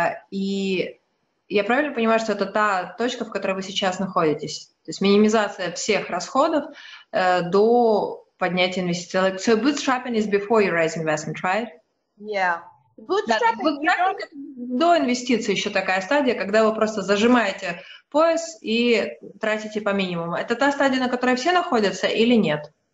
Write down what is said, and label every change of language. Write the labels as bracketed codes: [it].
[ru] И я правильно понимаю, что это та точка, в которой вы сейчас находитесь? То есть минимизация всех расходов до поднятия инвестиций. [en] Like, so bootstrapping is before you raise investment, right? Yeah. [ru] Bootstrapping до инвестиций еще такая стадия, когда вы просто зажимаете пояс и тратите по минимуму. Это та стадия, на которой все находятся или нет?